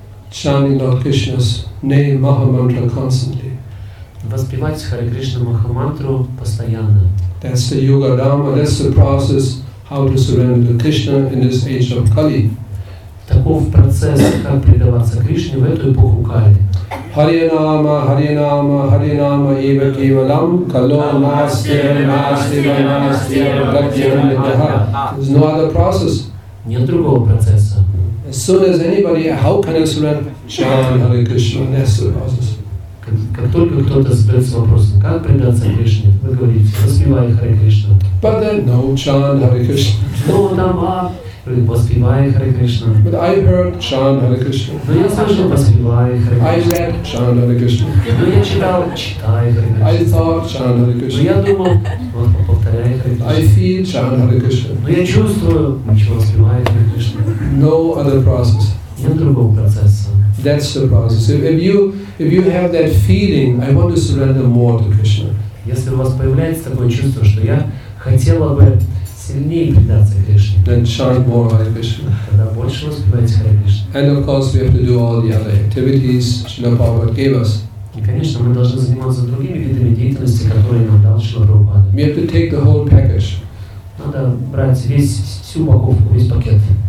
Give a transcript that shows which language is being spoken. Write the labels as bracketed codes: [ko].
[en] Chanting Lord Krishna's name, Maha Mantra, constantly. [ru] Воспевать Харе Кришна Маха Мантру постоянно. [en] That's the Yuga Dharma, that's the process how to surrender to Krishna in this age of Kali. [ru] Таков процесс, как предаваться Кришне в эту эпоху Кали. [sa] Харинама, Харинама, Харинама, Ива Кивалам, Кало, Насте, Насте, Насте, Бхактивандитаха. [en] There's no other process. [ru] Нет другого процесса. [en] As soon as anybody, how can I surrender? Chant Hare Krishna, that's the process. [ru] Как только кто-то задается вопросом, как предаться Кришне, вы говорите, воспевай Харе Кришна. [en] But then, no, chant Hare Krishna. No, Dhamma. [ru] Воспевай Харе Кришна. [en] But I heard chant Hare Krishna. [ru] Но я слышал, воспевай Харе Кришна. [en] I read chant Hare Krishna. [ru] Но я читал, читай Харе Кришна. [en] I thought chant Hare Krishna. [ru] Но я думал, вот, повторяй Харе Кришна. [en] I feel chant Hare Krishna. [ru] Но я чувствую, ничего, воспевай Харе Кришна. [en] No other process. [ru] Нет другого процесса. [en] That's the process. If you have that feeling, I want to surrender more to Krishna. [ru] Если у вас появляется такое чувство, что я хотела бы сильнее предаться Кришне, [en] then chant more Hare Krishna. [ru] Тогда больше воспевайте Харе Кришна. [en] And of course we have to do all the other activities Srila Prabhupada gave us. [ru] И конечно мы должны заниматься другими видами деятельности, которые нам дал Шрила Прабхупада. [en] We have to take the whole package. [ru] Надо брать всю упаковку, весь пакет.